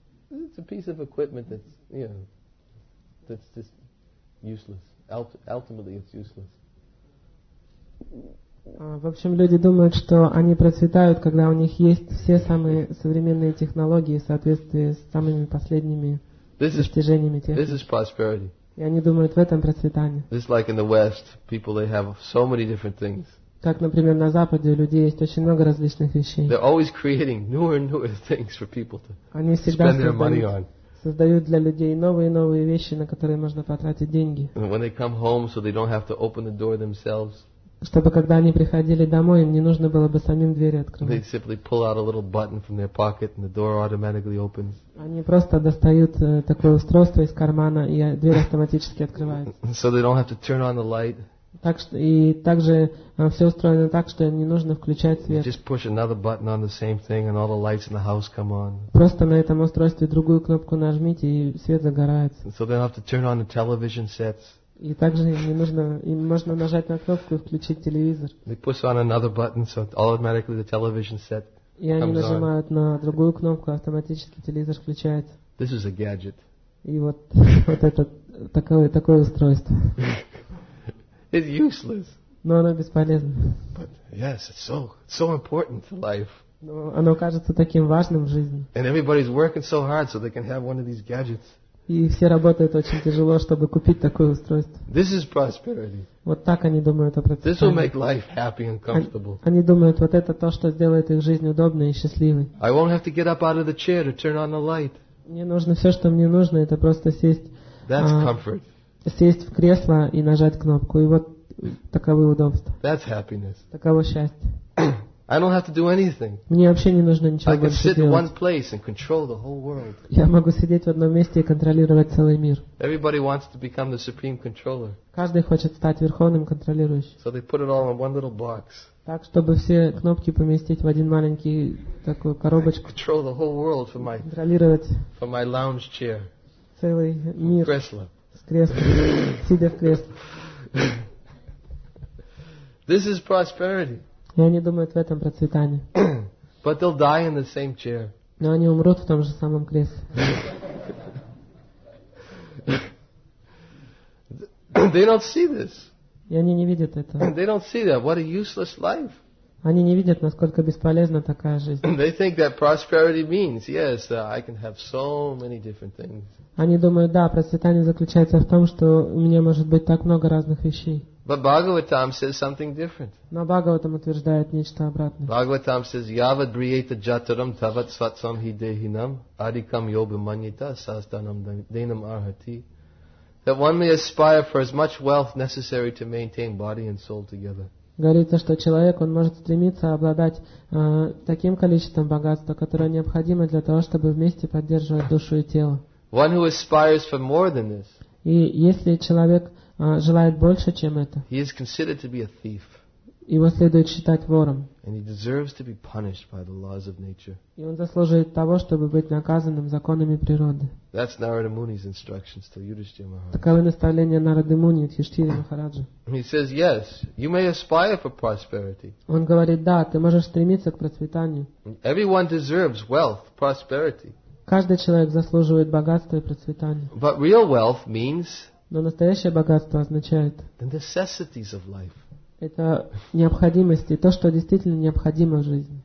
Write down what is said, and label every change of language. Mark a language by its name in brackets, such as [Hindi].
[English] It's a piece of equipment that's that's just useless. Ultimately, it's useless. [Russian] В общем, люди думают, что они процветают, когда у них есть все самые современные технологии в соответствии с самыми последними достижениями техники. [English] This is prosperity. [Russian] И они думают в этом процветании. [English] It's like in the West, people they have so many different things. [Russian] Как, например, на Западе у людей есть очень много различных вещей. [English] They're always creating newer and newer things for people to [Russian] они всегда [English] spend their money on. [Russian] Создают для людей новые и новые вещи, на которые можно потратить деньги. [English] And when they come home, so they don't have to open the door themselves. [Russian] чтобы когда они приходили домой, им не нужно было бы самим двери открывать. [English] They simply pull out a little button from their pocket, and the door automatically opens. [Russian] Они просто достают такое устройство из кармана, и дверь автоматически открывается. [English] So they don't have to turn on the light. [Russian] Так что и также все устроено так, что не нужно включать свет. [English] Just push another button on the same thing, and all the lights in the house come on. [Russian] Просто на этом устройстве другую кнопку нажмите, и свет загорается. [English] So they don't have to turn on the television sets. [Russian] И также не нужно, им можно нажать на кнопку и включить телевизор. [English] They push on another button, so automatically the television set comes on. [Russian] И они нажимают на другую кнопку, автоматически телевизор включается. [English] This is a gadget. [Russian] И вот вот это такое устройство. [English] It's useless. [Russian] Но оно бесполезно. [English] But yes, it's so important to life. [Russian] Но оно кажется таким важным в жизни. [English] And everybody's working so hard so they can have one of these gadgets. [Russian] И все работают очень тяжело, чтобы купить такое устройство. [English] This is prosperity. [Russian] Вот так они думают о процессе. [English] This will make life happy and comfortable. [Russian] Они думают, вот это то, что сделает их жизнь удобной и счастливой. [English] I won't have to get up out of the chair to turn on the light. [Russian] Мне нужно все, что мне нужно, это просто сесть. [English] That's comfort. [Russian] Сесть в кресло и нажать кнопку, и вот таковы удобства. [English] That's happiness. [Russian] Таково счастье. [English] I don't have to do anything. [Russian] Мне вообще не нужно ничего больше делать. [English] I can sit in one place and control the whole world. [Russian] Я могу сидеть в одном месте и контролировать целый мир. [English] Everybody wants to become the supreme controller. [Russian] Каждый хочет стать верховным контролирующим. [English] So they put it all in one little box. [Russian] Так, чтобы все кнопки поместить в один маленький такую коробочку. [English] I control the whole world from my [Russian] контролировать [English] from my lounge chair. [Russian] Целый мир. Кресло. С кресла. Сидя в кресле. [English] This is prosperity. [Russian] И они думают в этом процветании. [English] But they'll die in the same chair. [Russian] Но они умрут в том же самом кресле. [English] They don't see this. [Russian] И они не видят этого. [English] They don't see that. What a useless life. [Russian] Они не видят, насколько бесполезна такая жизнь. [English] They think that prosperity means, yes, I can have so many different things. [Russian] Они думают, да, процветание заключается в том, что у меня может быть так много разных вещей. [English] But Bhagavatam says something different. [Russian] Но Бхагаватам утверждает нечто обратное. [English] Bhagavatam says, [Sanskrit] Yavat Briyeta Jataram Tavat Svatsam Hidehinam Adikam Yobimanyita Sastanam Dainam Arhati. [English] That one may aspire for as much wealth necessary to maintain body and soul together. [Russian] Говорится, что человек, он может стремиться обладать таким количеством богатства, которое необходимо для того, чтобы вместе поддерживать душу и тело. [English] One who aspires for more than this. [Russian] И если человек желает больше, чем это, [English] he is considered to be a thief. [Russian] Его следует считать вором. [English] And he deserves to be punished by the laws of nature. [Russian] И он заслуживает того, чтобы быть наказанным законами природы. [English] That's Narada Muni's instructions to Yudhishthira Maharaja. [Russian] Таково наставление Нарады Муни от Юдхиштхиры Махараджи. [English] He says, yes, you may aspire for prosperity. [Russian] Он говорит, да, ты можешь стремиться к процветанию. [English] Everyone deserves wealth, prosperity. [Russian] Каждый человек заслуживает богатства и процветания. [English] But real wealth means. [Russian] Но настоящее богатство означает. [English] The necessities of life. [Russian] Это необходимости, то, что действительно необходимо в жизни.